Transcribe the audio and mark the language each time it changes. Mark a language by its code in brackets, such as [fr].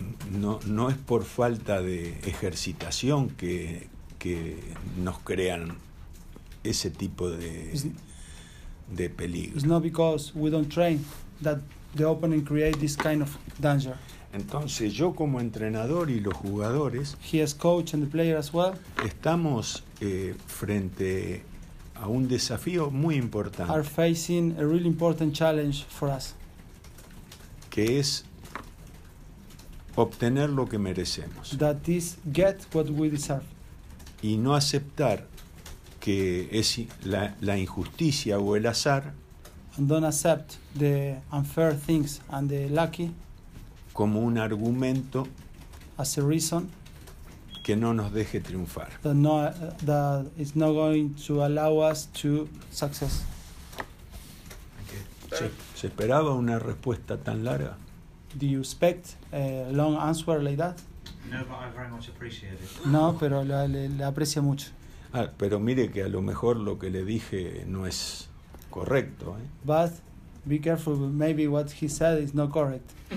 [es] No es por falta de ejercitación que nos crean ese tipo de peligro. [en] It's not because we don't train that the opening create this kind of danger. [es] Entonces yo como entrenador y los jugadores, [en] he is coach and the player as well, [es] estamos frente a un desafío muy importante. [en] Are facing a really important challenge for us. [es] Que es obtener lo que merecemos. [en] That is get what we deserve. [es] Y no aceptar que es la injusticia o el azar. [en] And don't accept the unfair things and the lucky. [es] Como un argumento, [en] as a reason, [es] que no nos deje triunfar. [en] That is not going to allow us to success. [es] Okay. ¿Se esperaba una respuesta tan larga? [en] Do you expect a long answer like that? No, but I very much appreciate it. [es] No, pero le aprecio mucho. Ah, pero mire que a lo mejor lo que le dije no es correcto, ¿eh? [en] But be careful, maybe what he said is not correct.